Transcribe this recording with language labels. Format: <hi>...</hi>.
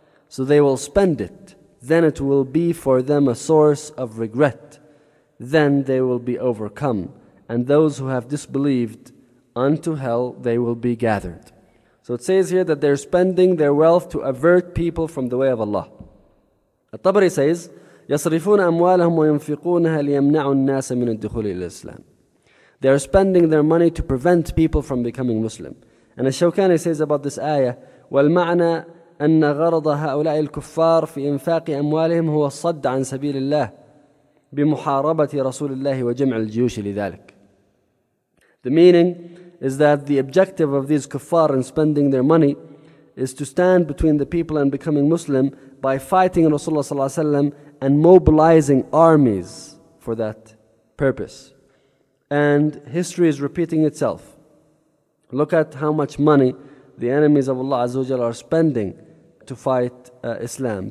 <en>So they will spend it. Then it will be for them a source of regret. Then they will be overcome. And those who have disbelieved, unto hell they will be gathered. So it says here that they're spending their wealth to avert people from the way of Allah. At-Tabari says,</en> <ar>يَصْرِفُونَ أَمْوَالَهُمْ وَيُنْفِقُونَهَا لِيَمْنَعُوا النَّاسَ مِنَ الدُّخُولِ إِلَى الْإِسْلَامِ.</ar> <en>They are spending their money to prevent people from becoming Muslim. And as Shawkani says about this ayah,</en> <ar>وَالْمَعْنَى أَنَّ غَرَضَ هَؤُلَاءِ الْكُفَّارِ فِي إِنْفَاقِ أَمْوَالِهِمْ هُوَ الصَّدَّ عَنْ سَبِيلِ اللَّهِ بِمُحَارَبَةِ رَسُولِ اللَّهِ وَجَمْعِ الْجِيُوشِ لِذَلِكِ.</ar> <en>The meaning is that the objective of these kuffar in spending their money is to stand between the people and becoming Muslim by fighting Rasulullah sallallahu alayhi wa sallam and mobilizing armies for that purpose. And history is repeating itself. Look at how much money the enemies of Allah Azza wa Jalla are spending to fight Islam.</en>